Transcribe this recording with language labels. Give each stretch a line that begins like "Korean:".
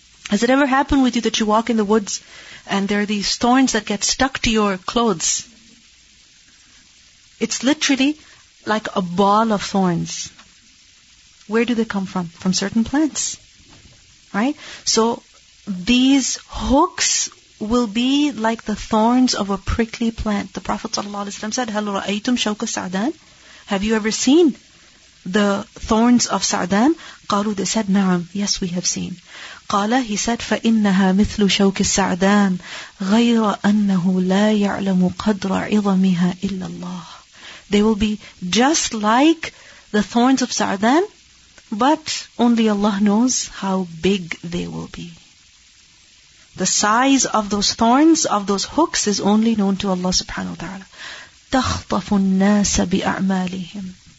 English: Has it ever happened with you that you walk in the woods and there are these thorns that get stuck to your clothes? It's literally like a ball of thorns. Where do they come from? From certain plants. Right? So, these hooks will be like the thorns of a prickly plant. The Prophet ﷺ said,
Arabic: هَلُ رَأَيْتُمْ شَوْكَ سَعْدَانِ.
English: Have you ever seen the thorns of سَعْدَان?
Arabic: قَالُوا,
English: they said,
Arabic: نَعَمْ.
English: Yes, we have seen.
Arabic: قَالَ,
English: he said,
Arabic: فَإِنَّهَا مِثْلُ شَوْكِ السَّعْدَان غَيْرَ أَنَّهُ لَا يَعْلَمُ قَدْرَ عِظَمِهَا إِلَّا اللَّهِ.
English: They will be just like the thorns of سَعْدَان, but only Allah knows how big they will be. The size of those thorns, of those hooks, is only known to Allah subhanahu wa ta'ala.
Arabic: تَخْطَفُ النَّاسَ بِأَعْمَالِهِمْ.